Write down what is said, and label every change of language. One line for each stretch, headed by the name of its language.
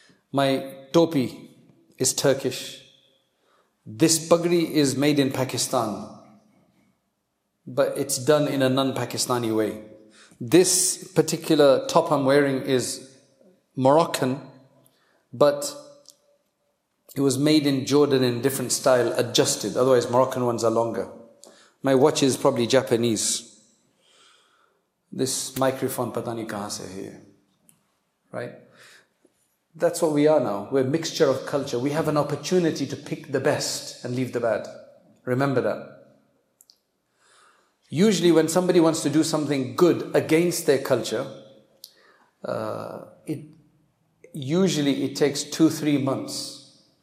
English: My topi is Turkish. This pagri is made in Pakistan, but it's done in a non-Pakistani way. This particular top I'm wearing is Moroccan, but it was made in Jordan in different style, adjusted. Otherwise, Moroccan ones are longer. My watch is probably Japanese. This microphone,
Urdu: پتا نہیں کہاں سے ہے۔
English: Right? That's what we are now. We're a mixture of culture. We have an opportunity to pick the best and leave the bad. Remember that. Usually when somebody wants to do something good against their culture, it usually takes 2-3 months.